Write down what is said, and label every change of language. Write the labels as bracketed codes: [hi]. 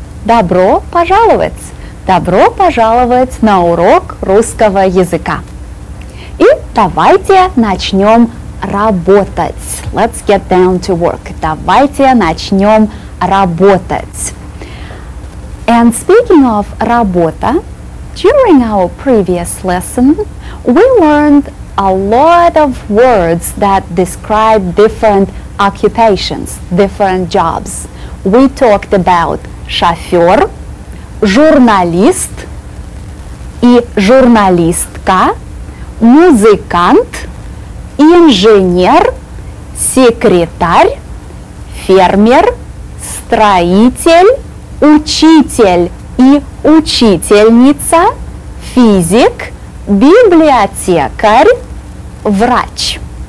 [ru] Добро пожаловать. Добро пожаловать на урок русского языка. И давайте начнем работать. [en] Let's get down to work. [ru] Давайте начнем работать. [en] And speaking of работа, during our previous lesson, we learned a lot of words that describe different occupations, different jobs. We talked about [ru] шофер, журналист и журналистка, музыкант, инженер, секретарь, фермер, строитель, учитель и учительница, физик, библиотекарь, врач.